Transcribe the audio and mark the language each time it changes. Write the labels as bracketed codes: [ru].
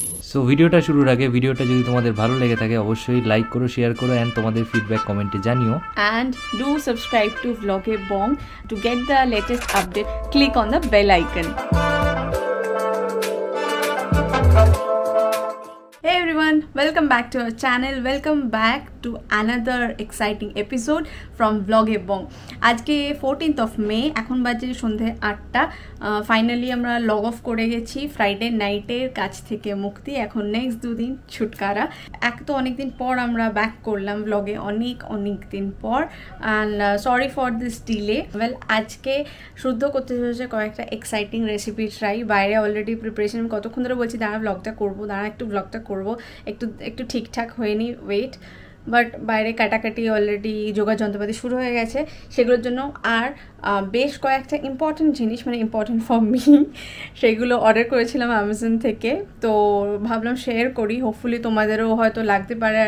[bn] So ভিডিওটা শুরুর আগে ভিডিওটা যদি তোমাদের ভালো লেগে থাকে অবশ্যই লাইক করো শেয়ার করো এন্ড তোমাদের ফিডব্যাক কমেন্টে জানিও [en] And do subscribe to ভ্লগে বং to get the latest update click on the bell icon Hey everyone, welcome back to our channel. Welcome back to another exciting episode from Vlog Ebong. Today is 14th of May, [bn] এখন বাজে সন্ধে 8টা. Finally আমরা log of করে গেছি Friday নাইটের কাজ থেকে মুক্তি. এখন নেক্সট দু দিন ছুটকারা. এক তো অনেক দিন পর আমরা ব্যাক করলাম ব্লগে অনেক অনেক দিন পর. [en] And sorry for this delay. [bn] Well, আজকে শুদ্ধ করতে হয়েছে কয়েকটা এক্সাইটিং রেসিপি ট্রাই. বাইরে অলরেডি প্রিপারেশন কতক্ষণ ধরে বলছি দাঁড়া ব্লগটা করবো, দাঁড়া একটু ব্লগটা করবো, একটু একটু ঠিকঠাক হয়নি ওয়েট, বাট বাইরে কাটাকাটি অলরেডি যোগা যন্ত্রপাতি শুরু হয়ে গেছে সেগুলোর জন্য, আর বেশ কয়েকটা ইম্পর্টেন্ট জিনিস মানে ইম্পর্টেন্ট ফর মি সেগুলো অর্ডার করেছিলাম অ্যামাজন থেকে, তো ভাবলাম শেয়ার করি, হোপফুলি তোমাদেরও হয়তো লাগতে পারে.